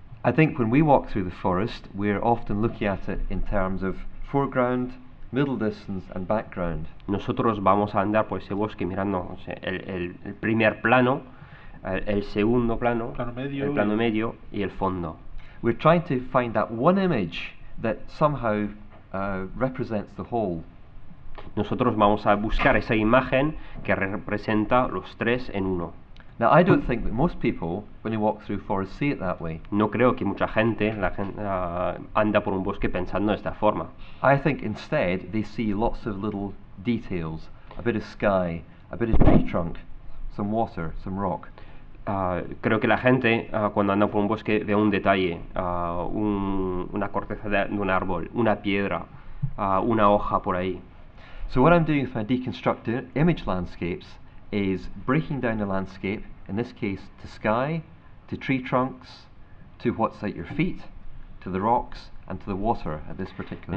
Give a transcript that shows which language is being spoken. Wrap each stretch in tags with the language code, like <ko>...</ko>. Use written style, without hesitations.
<en>I think when we walk through the forest, we are often looking at it in terms of foreground, middle distance and background.</en> <es>Nosotros vamos a andar por ese bosque mirando el primer plano, el segundo plano, el plano medio y el fondo.</es> <en>We're trying to find that one image that somehow represents the whole.</en> <es>Nosotros vamos a buscar esa imagen que representa los tres en uno.</es> <en>Now I don't think that most people, when they walk through forests, see it that way.</en> <es>No creo que mucha gente anda por un bosque pensando de esta forma.</es> <en>I think instead they see lots of little details, a bit of sky, a bit of tree trunk, some water, some rock.</en> <es>Creo que la gente cuando anda por un bosque ve un detalle, una corteza de un árbol, una piedra, una hoja por ahí.</es> <en>So what I'm doing with my deconstructed image landscapes is breaking down the landscape, in this case to sky, to tree trunks, to what's at your feet, to the rocks and to the water at this particular</en>